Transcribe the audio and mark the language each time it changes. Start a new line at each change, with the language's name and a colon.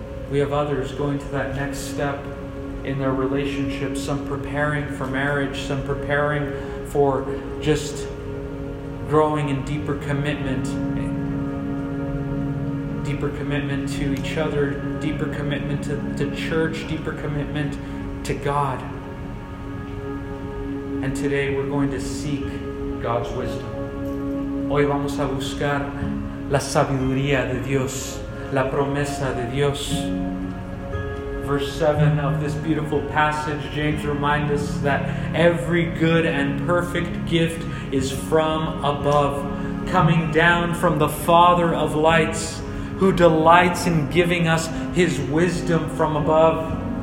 English: We have others going to that next step in their relationship, some preparing for marriage, some preparing for just growing in deeper commitment to each other, deeper commitment to church, deeper commitment to God. And today we're going to seek God's wisdom.
Spanish: Hoy vamos a buscar la sabiduría de Dios, la promesa de Dios.
English: Verse 7 of this beautiful passage, James reminds us that every good and perfect gift is from above, coming down from the Father of lights, who delights in giving us His wisdom from above.